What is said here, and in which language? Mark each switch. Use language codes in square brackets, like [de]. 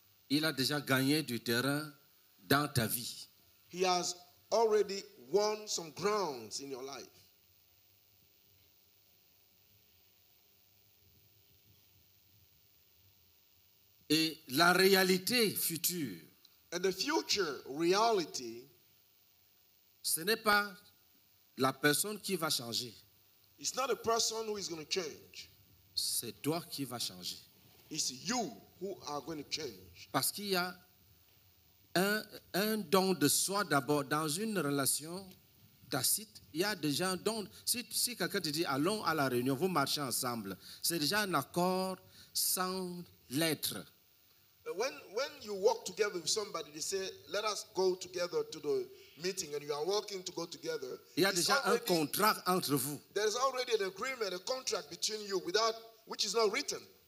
[fr] il a déjà gagné du terrain dans ta vie. [en] He has already won some grounds in your life. [fr] Et la réalité future, [en] and the future reality, [fr] ce n'est pas la personne qui va changer. [en] It's not a person who is going to change. [fr] C'est toi qui va changer. [en] It's you who are going to change. [fr] Parce qu'il y a un don de soi d'abord. Dans une relation tacite, il y a déjà un don. Si quelqu'un te dit, allons à la réunion, vous marchez ensemble, c'est déjà un accord sans l'être. [en] When you walk together with somebody, they say, let us go together to the meeting, and you are walking to go together. [fr] Il y a déjà un contrat entre vous. [en] There is already an agreement, a contract between you, without which is not written.